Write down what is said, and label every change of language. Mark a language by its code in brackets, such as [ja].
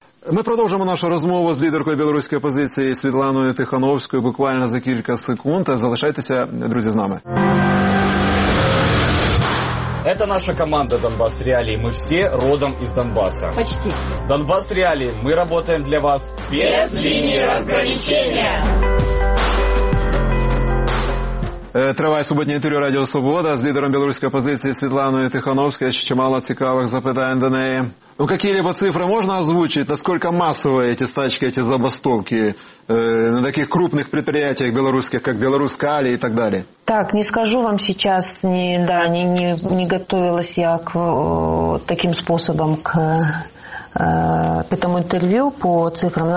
[ru] Мы продолжим нашу разговор с лидеркой белорусской оппозиции Светланой Тихановской буквально за несколько секунд. [uk] Залишайтесь, друзья, с нами. [ru] Это наша команда «Донбасс Реалии». Мы все родом из Донбасса. Почти. «Донбасс Реалии». Мы работаем для вас без линии разграничения. [uk] Триває суботнє інтерв'ю Радіо Свобода з лідером білоруської опозиції Світланою Тихановською. Ще чимало цікавих запитань до неї. [ru] Ну, какие-либо цифры можно озвучить? Насколько массовые эти стачки, эти забастовки на таких крупных предприятиях белорусских, как Белорускали и так далее? Так, не скажу вам сейчас, не готовилась я к таким способам к этому интервью по цифрам.